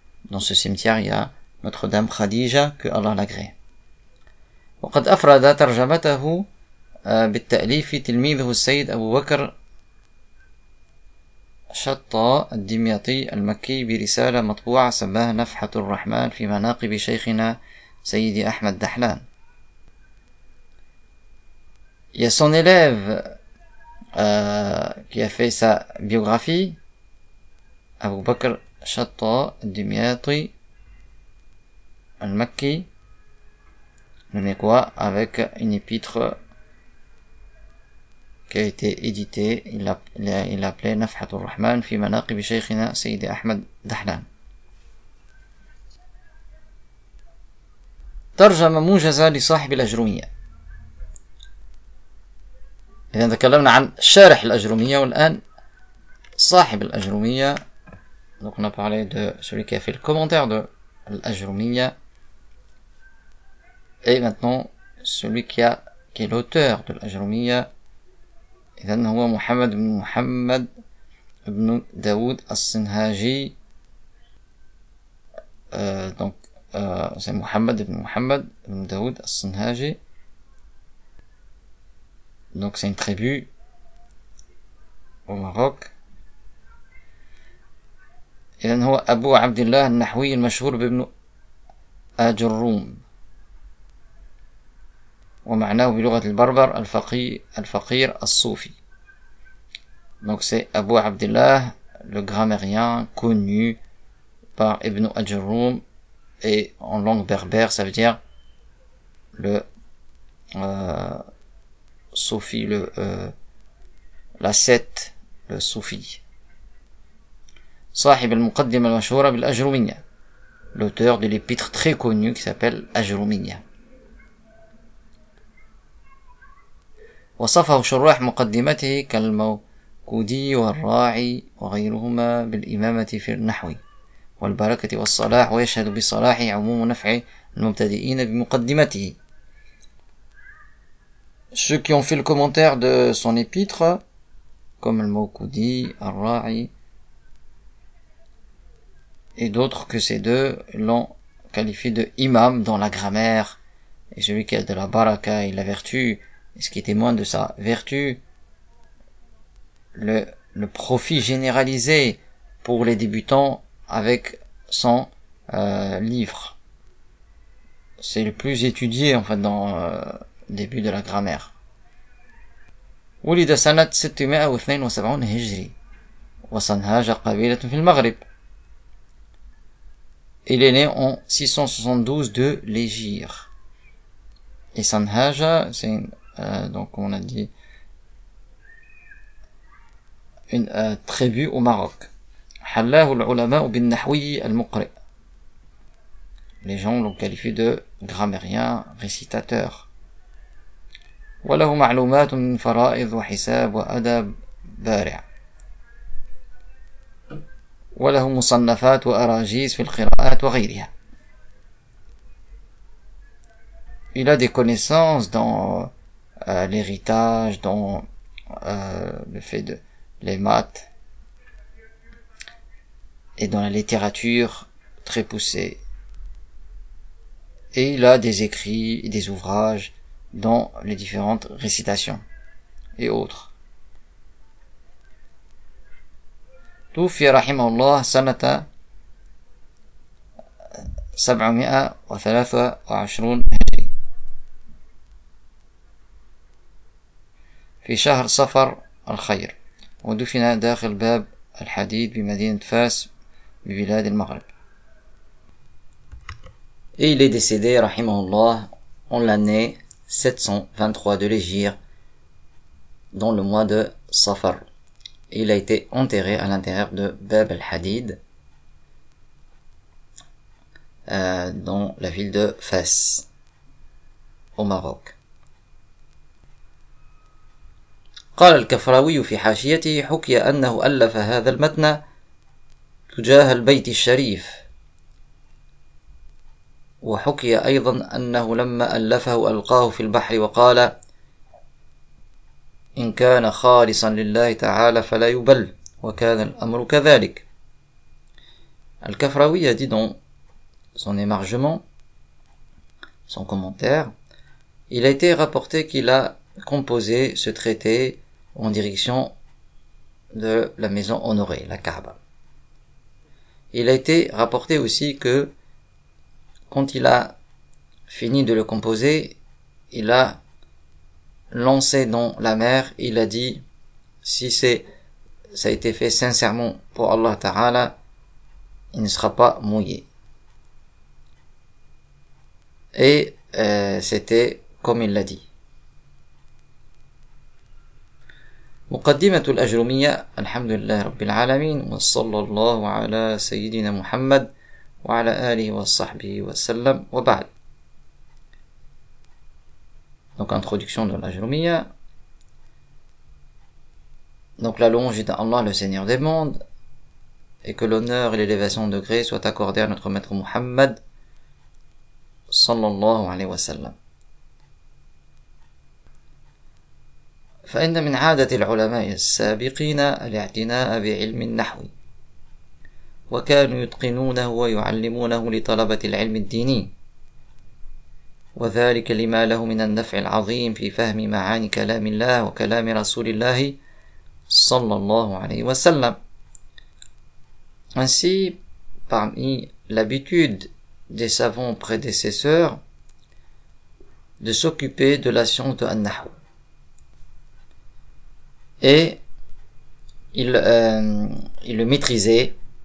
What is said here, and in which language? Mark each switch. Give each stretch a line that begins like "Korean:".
French: Dans ce cimetière, il y a Notre-Dame Khadija, que Allah l'agrée.
Arabic: وقد أفرد ترجمته بالتأليف تلميذه السيد أبو بكر شطة الدمياطي المكي برسالة مطبوعة سماها نفحة الرحمن في مناقب شيخنا سيد أحمد دحلان.
French: Il y a son élève qui a fait sa biographie, Abu Bakr Shatta al-Dimyati al-Makki, le Mekwa, avec une épître qui a été édité, il appelait Nafhatul Rahman fi manaqib shaykhina Sayyidi Ahmad Dahlan.
Arabic: ترجم موجزة لصاحب الأجرمية. إذا تكلمنا عن شارح الأجرمية والآن صاحب الأجرمية.
French: Donc on a parlé de celui qui a fait le commentaire de l'Ajrumiyyah. Et maintenant, celui qui est l'auteur de l'Ajrumiyya, c'est Muhammad ibn Daoud al-Sinhaji. C'est Muhammad ibn Daoud al-Sinhaji. Donc, c'est une tribu au Maroc.
Arabic: إذن هو أبو عبد الله النحوي المشهور بابن أجروم ومعناه بلغة البربر الفقير الصوفي.
French: Donc c'est أبو عبد الله le grammairien connu par ابن أجروم et en langue berbère ça veut dire le صوفي.
Arabic: صاحب المقدمة المشهورة بالأجرمية.
French: L'auteur de l'épître très connue qui s'appelle Ajrumiyya.
Arabic: وصفه شراح مقدمته كالموكودي والراعي وغيرهما بالإمامة في النحو والبركة والصلاح، ويشهد بصلاحه عموم نفع المبتدئين بمقدمته.
French: Ceux qui ont fait le commentaire de son épître, comme le Moukoudi, Ar-Ra'i, et d'autres que ces deux, l'ont qualifié de imam dans la grammaire, et celui qui a de la baraka et la vertu, et ce qui témoigne de sa vertu, le profit généralisé pour les débutants avec son livre. C'est le plus étudié, en fait, dans... début de la grammaire.
Arabic: ولد سنة 672 هجري وصنهاج قبيلة في المغرب.
French: Il est né en 672 de l'Égypte. Et صنهاج, c'est une, donc on a dit une tribu au Maroc.
Arabic: حلاه العلماء بالنحوي المقرئ.
French: Les gens l'ont qualifié de grammairien récitateur.
Arabic: وله معلومات من فرائض وحساب وأدب بارع وله مصنفات وأراجيز في القراءات وغيرها.
French: Il a des connaissances dans l'héritage, dans le fait de les maths et dans la littérature très poussée. Et il a des écrits et des ouvrages dans les différentes récitations et autres.
Arabic: توفي رحمه الله سنة 723 هجري في شهر صفر الخير، ودفن داخل باب الحديد بمدينة فاس ببلاد المغرب.
French: Il est décédé
Arabic: رحمه الله
French: en l'année 723 de l'Hégire, dans le mois de Safar. Il a été enterré à l'intérieur de Bab al-Hadid, dans la ville de Fès, au Maroc.
Arabic: قال الكفراوي في حاشيته حكي أنه ألف هذا المتن تجاه البيت الشريف. وحكي أيضا أنه لما ألفه ألقاه في البحر وقال إن كان خالصا لله تعالى فلا يبل، وكان الأمر كذلك.
French: الكفراوي a dit dans son émargement, son commentaire, il a été rapporté qu'il a composé ce traité en direction de la maison honorée, la Kaaba. Il a été rapporté aussi que quand il a fini de le composer, il a lancé dans la mer, il a dit, si c'est, ça a été fait sincèrement pour Allah Ta'ala, il ne sera pas mouillé. Et c'était comme il l'a dit.
Arabic: مقدمة الأجرمية الحمد لله رب العالمين وصلى الله على سيدنا محمد وعلى آله وصحبه وسلم وبعد.
French: Donc introduction de l'Ajrumiyya. Donc la louange est à Allah le Seigneur des mondes, et que l'honneur et l'élévation de degré soient accordés à notre maître Muhammad
Arabic: sallallahu alayhi wa sallam. فإن من عادة العلماء السابقين الاعتناء بعلم النحو وكانوا يتقنونه ويعلمونه لطلبة العلم الديني، وذلك لما له من النفع العظيم في فهم معاني كلام الله وكلام رسول الله صلى الله عليه وسلم.
French: Ainsi, parmi l'habitude des savants prédécesseurs de s'occuper de la science de An-Nahw. Et il le maîtrisait.